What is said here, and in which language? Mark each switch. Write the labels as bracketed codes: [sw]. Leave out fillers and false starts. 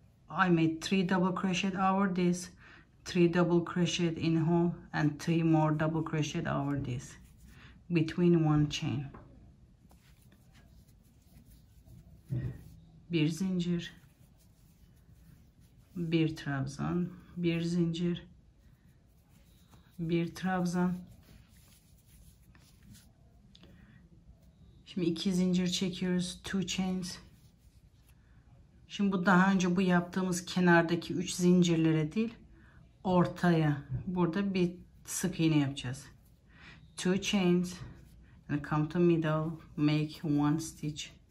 [en] I made 3 double crochet over this, 3 double crochet in hole and 3 more double crochet over this between one chain. [tr] Bir zincir, bir trabzan, bir zincir, bir trabzan. Şimdi 2 zincir çekiyoruz, [en] 2 chains. [tr] Şimdi bu daha önce bu yaptığımız kenardaki 3 zincirlere değil, ortaya burada bir sık iğne yapacağız. [en] 2 chains and come to middle, make one stitch.